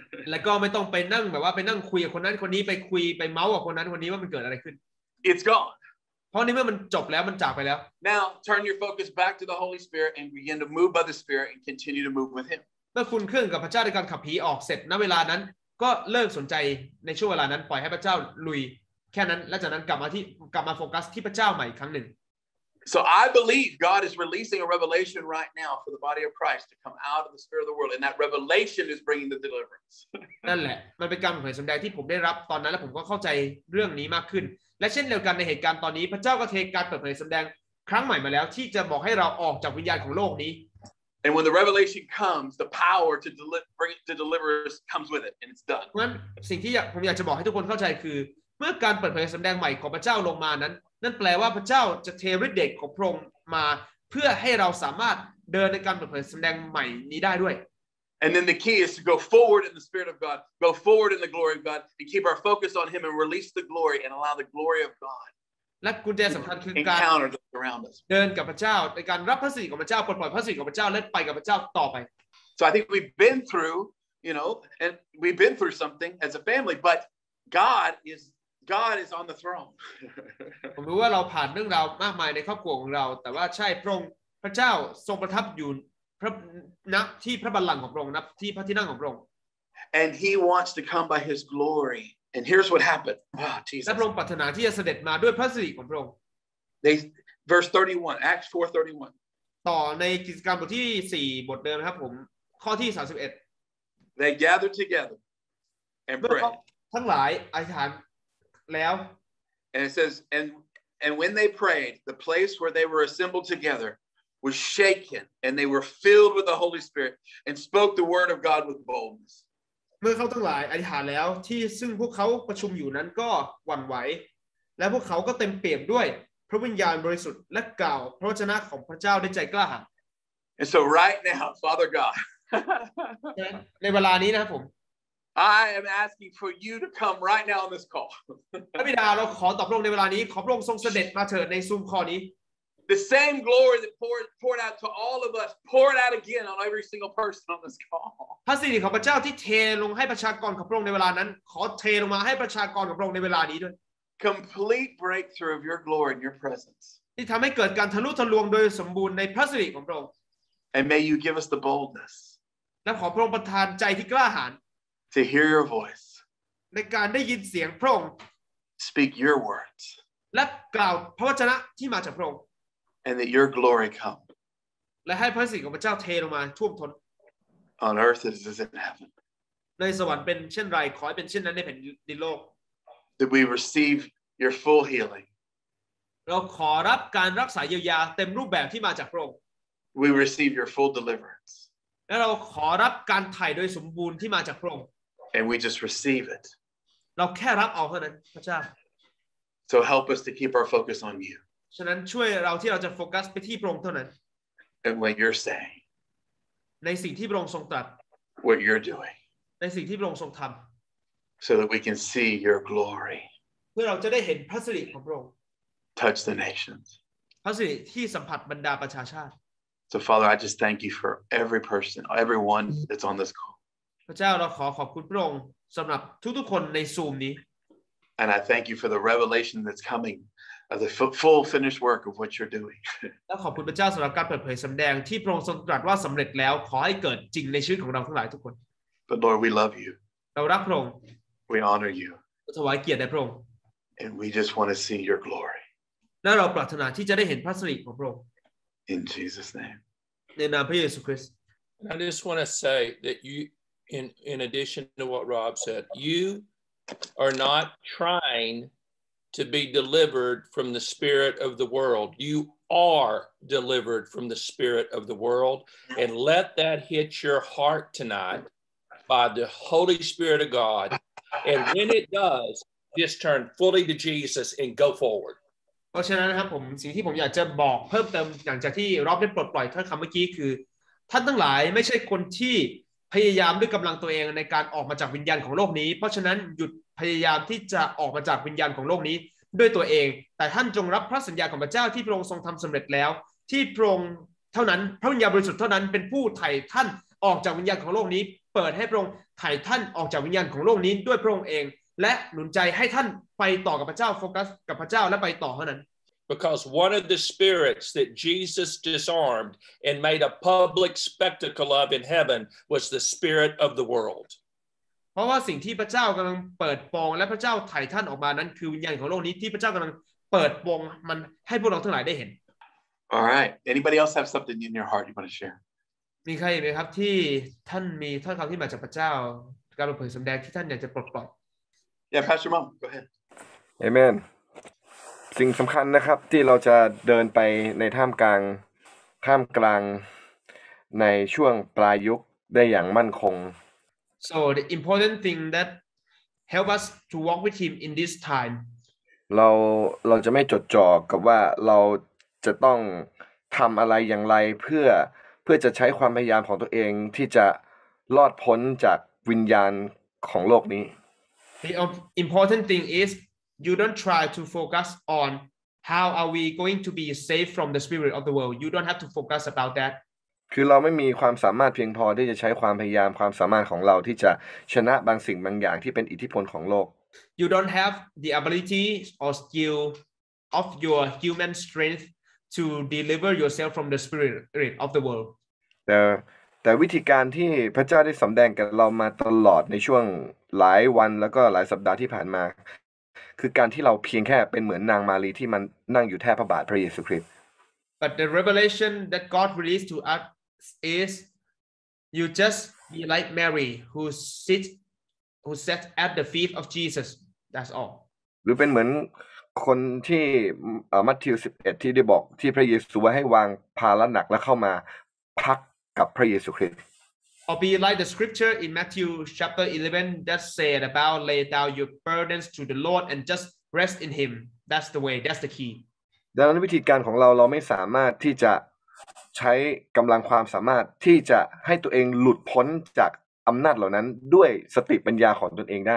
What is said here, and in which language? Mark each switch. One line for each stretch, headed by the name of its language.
Thai: แล้วก็ไม่ต้องไปนั่งแบบว่าไปนั่งคุยกับคนนั้นคนนี้ไปเมาส์กับคนนั้นคนนี้ว่ามันเกิดอะไรขึ้น
English: It's gone.
Thai: เพราะนี่เมื่อมันจบแล้วมันจากไปแล้ว
English: Now turn your focus back to the Holy Spirit and begin to move by the Spirit and continue to move with Him.
Thai: เมื่อคุณเคลื่อนกับพระเจ้าในการขับผีออกเสร็จณเวลานั้นก็เลิกสนใจในช่วงเวลานั้นปล่อยให้พระเจ้าลุยแค่นั้นและจากนั้นกลับมาโฟกัสที่พระเจ้าใหม่อีกครั้งหนึ่ง
English: So I believe God is releasing a revelation right now for the body of Christ to come out of the spirit of the world and that revelation is bringing the deliverance.
Thai: นั่นแหละมันเป็นการเผยสำแดงที่ผมได้รับตอนนั้นและผมก็เข้าใจเรื่องนี้มากขึ้นและเช่นเดียวกันในเหตุการณ์ตอนนี้พระเจ้าก็เทการเปิดเผยสำแดงครั้งใหม่มาแล้วที่จะบอกให้เราออกจากวิญญาณของโลกนี้
English: And when the revelation comes, the power to deliver us comes with it, and it's done.
Thai: เพราะฉะนั้นสิ่งที่ผมอยากจะบอกให้ทุกคนเข้าใจคือเมื่อการเปิดเผยสำแดงใหม่ของพระเจ้าลงมานั้นนั่นแปลว่าพระเจ้าจะเทฤทธิ์เดชของพระองค์มาเพื่อให้เราสามารถเดินในการเปิดเผยสำแดงใหม่นี้ได้ด้วย
English: And then the key is to go forward in the Spirit of God, go forward in the glory of God, and keep our focus on Him and release the glory and allow the glory of God.
Thai: และกุญแจสำคัญคือการเดินกับพระเจ้าในการรับพระสิริของพระเจ้าปลดปล่อยพระสิริของพระเจ้าและไปกับพระเจ้าต่อไป
English: So I think we've been through, you know, and we've been through something as a family, but God is on the throne.
Thai: ผมรู้ว่าเราผ่านเรื่องราวมากมายในครอบครัวของเราแต่ว่าใช่พระองค์พระเจ้าทรงประทับอยู่พระนับที่พระบัลลังก์ของพระองค์นับที่พระที่นั่งของพระองค์
English: And He wants to come by His glory. And here's what happened. Ah, Jesus.
Thai: และพระองค์ปรารถนาที่จะเสด็จมาด้วยพระสิริของพระองค์
English: They verse 31 Acts 4:31.
Thai: ต่อในกิจกรรมบทที่4บทเดิมครับผมข้อที่31
English: They gathered together and prayed.
Thai: ทั้งหลายอธิษฐานแล้ว
English: And it says and when they prayed the place where they were assembled together was shaken and they were filled with the Holy Spirit and spoke the word of God with boldness.
Thai: เมื่อเขาทั้งหลายอธิษฐานแล้วที่ซึ่งพวกเขาประชุมอยู่นั้นก็หวั่นไหวและพวกเขาก็เต็มเปี่ยมด้วยพระวิญญาณบริสุทธิ์และกล่าวพระวจนะของพระเจ้าด้วยใจกล้าหาญ
English: And so right now Father God
Thai: ในเวลานี้นะครับผม
English: I am asking for you to come right now on this call
Thai: พระบิดาเราขอตอบรงในเวลานี้ขอพระองค์ทรงเสด็จมาเถิดในซูมคอนี้
English: The same glory that poured out to all of us poured out again on every single person on this call.
Thai: พระสิริของพระเจ้าที่เทลงให้ประชากรของพระองค์ในเวลานั้นขอเทลงมาให้ประชากรของพระองค์ในเวลานี้ด้วย
English: Complete breakthrough of your glory and your presence.
Thai: ที่ทำให้เกิดการทะลุทะลวงโดยสมบูรณ์ในพระสิริของพระองค์
English: And may you give us the boldness.
Thai: และขอพระองค์ประทานใจที่กล้าหาญ
English: To hear your voice.
Thai: ในการได้ยินเสียงพระองค์
English: Speak your words.
Thai: และกล่าวพระวจนะที่มาจากพระองค์
English: And that your glory come.
Thai: และให้พระสิริของพระเจ้าเทลงมาท่วมท้น
English: On earth as it is in heaven.
Thai: ในสวรรค์เป็นเช่นไรขอให้เป็นเช่นนั้นในแผ่นดินโลก
English: That we receive your full healing.
Thai: เราขอรับการรักษาเยียวยาเต็มรูปแบบที่มาจากพระองค์
English: We receive your full deliverance.
Thai: และเราขอรับการไถ่โดยสมบูรณ์ที่มาจากพระองค์
English: And we just receive it.
Thai: เราแค่รับเอาเท่านั้นพระเจ้า
English: So help us to keep our focus on you.
Thai: ฉะนั้นช่วยเราที่เราจะโฟกัสไปที่พระองค์เท่านั้น
English: And what you're saying
Thai: ในสิ่งที่พระองค์ทรงตรัส
English: What you're doing
Thai: ในสิ่งที่พระองค์ทรงทำ
English: So that we can see your glory
Thai: เพื่อเราจะได้เห็นพระสิริของพระองค์
English: Touch the nations
Thai: พระสิริที่สัมผัสบรรดาประชาชาติ
English: So Father I just thank you for every person everyone that's on this call
Thai: พระเจ้าเราขอขอบคุณพระองค์สำหรับทุกๆคนในซูมนี้
English: And I thank you for the revelation that's comingOf the full finished work of what you're doing.
Thai: และขอบคุณพระเจ้าสำหรับการเปิดเผยสำแดงที่พระองค์ทรงตรัสว่าสำเร็จแล้วขอให้เกิดจริงในชีวิตของเราทั้งหลายทุกคน
English: But Lord, we love you.
Thai: เรารักพระองค์
English: We honor you.
Thai: เราถวายเกียรติแด่พระองค์
English: And we just want to see your glory.
Thai: และเราปรารถนาที่จะได้เห็นพระสิริของพระองค์
English: In Jesus' name.
Thai: ในนามพระเยซูคริสต์
English: I just want to say that you, in addition to what Rob said, you are not trying. To be delivered from the spirit of the world, you are delivered from the spirit of the world, and let that hit your heart tonight by the Holy Spirit of God. And when it does, just turn fully to Jesus and go forward.
Thai: เพราะฉะนั้นครับผมสิ่งที่ผมอยากจะบอกเพิ่มเติมหลังจากที่รอบได้ปลดปล่อยท่านคำเมื่อกี้คือท่านทั้งหลายไม่ใช่คนที่พยายามด้วยกำลังตัวเองในการออกมาจากวิญญาณของโลกนี้เพราะฉะนั้นหยุดพยายามที่จะออกมาจากวิญญาณของโลกนี้ด้วยตัวเองแต่ท่านจงรับพระสัญญาของพระเจ้าที่พระองค์ทรงทำสำเร็จแล้วที่พระองค์ เท่านั้นพระวิญญาณบริสุทธิ์เท่านั้นเป็นผู้ไถ่ท่านออกจากวิญญาณของโลกนี้เปิดให้พระองค์ไถ่ท่านออกจากวิญญาณของโลกนี้ด้วยพระองค์เองและหนุนใจให้ท่านไปต่อกับพระเจ้าโฟกัสกับพระเจ้าและไปต่อเท่านั้น
English: Because one of the spirits that Jesus disarmed and made a public spectacle of in heaven was the spirit of the world.
Thai: เพราะว่าสิ่งที่พระเจ้ากำลังเปิดปองและพระเจ้าไถ่ท่านออกมานั้นคือวิญญาณของโลกนี้ที่พระเจ้ากำลังเปิดปองมันให้พวกเราทั้งหลายได้เห็น
English: All right anybody else have something in your heart you want to share
Thai: มีใครไหมครับที่ท่านมีท่านคำที่มาจากพระเจ้าการเปิดสำแดงที่ท่านอยากจะปลดปล่อย
English: Yeah Pastor Mom go ahead
Thai: Amen สิ่งสำคัญนะครับที่เราจะเดินไปในท่ามกลาง ในช่วงปลายยุคได้อย่างมั่นคง
English: So the important thing that help us to walk with him in this time
Thai: เราจะไม่จดจ่อกับว่าเราจะต้องทำอะไรอย่างไรเพื่อจะใช้ความพยายามของตัวเองที่จะรอดพ้นจากวิญญาณของโลกนี้
English: The important thing is you don't try to focus on how are we going to be safe from the spirit of the world you don't have to focus about that
Thai: คือเราไม่มีความสามารถเพียงพอที่จะใช้ความพยายามความสามารถของเราที่จะชนะบางสิ่งบางอย่างที่เป็นอิทธิพลของโลก
English: You don't have the ability or skill of your human strength to deliver yourself from the spirit of the world
Thai: แต่วิธีการที่พระเจ้าได้สำแดงกับเรามาตลอดในช่วงหลายวันแล้วก็หลายสัปดาห์ที่ผ่านมาคือการที่เราเพียงแค่เป็นเหมือนนางมารีที่มันนั่งอยู่แทบพระบาทพระเยซูคริสต์
English: But the revelation that God released to us is you just be like Mary who sat at the feet of Jesus that's all
Thai: หรือเป็นเหมือนคนที่มัทธิว11ที่ได้บอกที่พระเยซูว่าให้วางภาระหนักแล้วเข้ามาพักกับพระเยซูคริสต์
English: Or be like the scripture in Matthew chapter 11 that said about lay down your burdens to the Lord and just rest in him that's the way that's the key
Thai: ดังนั้นวิธีการของเราไม่สามารถที่จะใช้กำลังความสามารถที่จะให้ตัวเองหลุดพ้นจากอำนาจเหล่านั้นด้วยสติปัญญาของตนเองได